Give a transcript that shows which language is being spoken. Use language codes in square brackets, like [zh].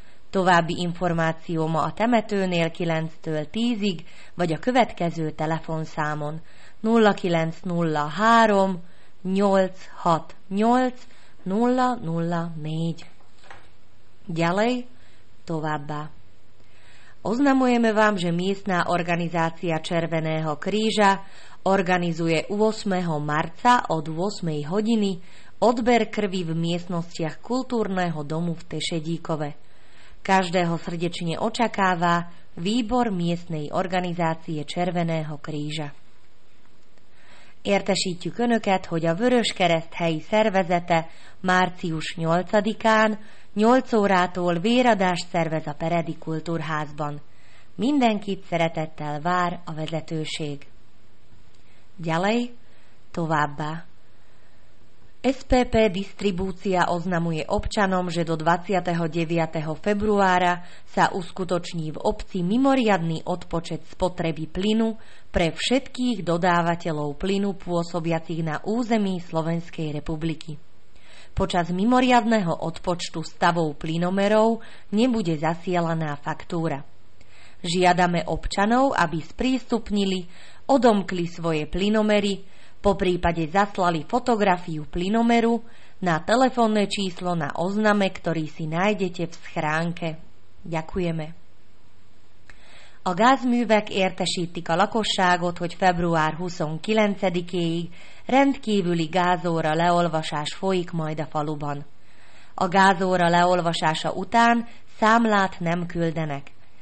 [hu] További információ ma a temetőnél 9-től 10-ig, vagy a következő telefonszámon 0903 868 004. [sk] Ďalej, [hu] továbbá. [sk] Oznamujeme vám, že miestná organizácia Červeného kríža organizuje 8. marca od 8. hodiny odber krvi v miestnostiach kultúrneho domu v Tešedíkove. Každého srdečne očakáva výbor miestnej organizácie Červeného kríža. [hu] Értesítjük Önöket, hogy a Vöröskereszt helyi szervezete március 8-án 8 órától véradást szervez a Peredi Kultúrházban. Mindenkit szeretettel vár a vezetőség. [sk] Gyalej, [hu] továbbá. [sk] SPP Distribúcia oznamuje občanom, že do 29. februára sa uskutoční v obci mimoriadny odpočet spotreby plynu pre všetkých dodávateľov plynu pôsobiacich na území Slovenskej republiky. Počas mimoriadneho odpočtu stavov plynomerov nebude zasielaná faktúra. Žiadame občanov, aby sprístupnili, odomkli svoje plynomery, po prípade zaslali fotografiu plynomeru na telefónne číslo na ozname, ktorý si nájdete v schránke. Ďakujeme. [hu] A gázművek értesítik a lakosságot, hogy február 29-éig rendkívüli gázóra leolvasás folyik majd a faluban. A gázóra leolvasása után számlát nem küldenek.